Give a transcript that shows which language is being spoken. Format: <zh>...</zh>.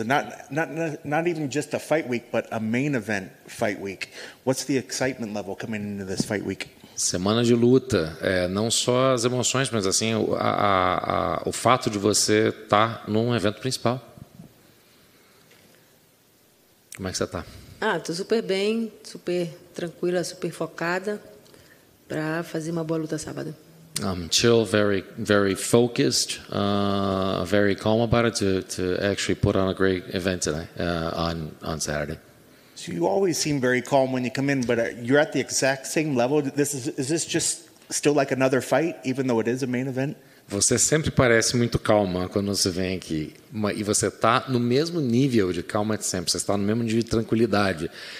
<en>And not even just a fight week, but a main event fight week. What's the excitement level coming into this fight week?</en> <pt>Semana de luta, não só as emoções, mas assim o fato de você estar num evento principal. Como é que você tá? Ah, tô super bem, super tranquila, super focada para fazer uma boa luta sábado.</pt> <en>I'm chill, very, very focused, very calm about it to actually put on a great event today on Saturday. So you always seem very calm when you come in, but you're at the exact same level. Is this just still like another fight, even though it is a main event?</en> <pt>Você sempre parece muito calma quando você vem aqui, e você está no mesmo nível de calma de sempre. Você está no mesmo nível de tranquilidade.</pt>